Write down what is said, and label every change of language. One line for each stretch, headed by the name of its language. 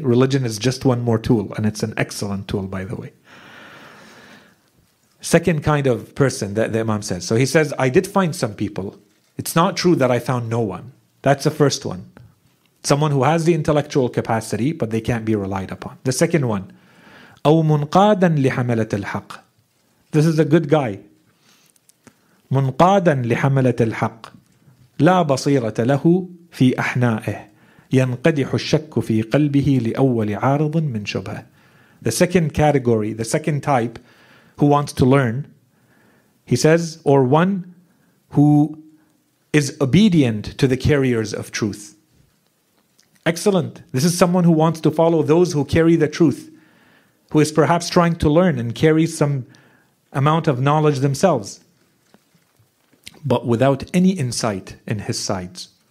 English: Religion is just one more tool, and it's an excellent tool, by the way. Second kind of person that the Imam says. So he says, I did find some people. It's not true that I found no one. That's the first one. Someone who has the intellectual capacity, but they can't be relied upon. The second one,
Arabic: أو منقاداً لحملة الحق.
English: This is a good guy.
Arabic: منقاداً لحملة الحق. لا بصيرة له في أحنائه. ينقدح الشك في قلبه لأول عارض من شبهة.
English: The second category, the second type, who wants to learn, he says, or one who is obedient to the carriers of truth. Excellent. This is someone who wants to follow those who carry the truth, who is perhaps trying to learn and carry some amount of knowledge themselves, but without any insight in his sides.